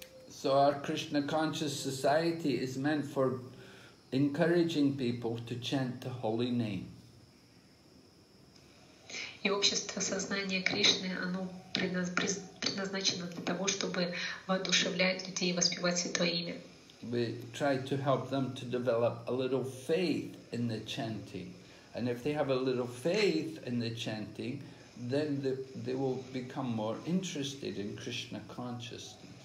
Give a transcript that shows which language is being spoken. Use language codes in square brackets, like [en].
[en] So our Krishna conscious society is meant for encouraging people to chant the Holy Name. [ru] И общество сознания Кришны, оно предназначено для того, чтобы воодушевлять людей и воспевать Святое Имя. [en] We try to help them to develop a little faith in the chanting. And if they have a little faith in the chanting, then they will become more interested in Krishna consciousness.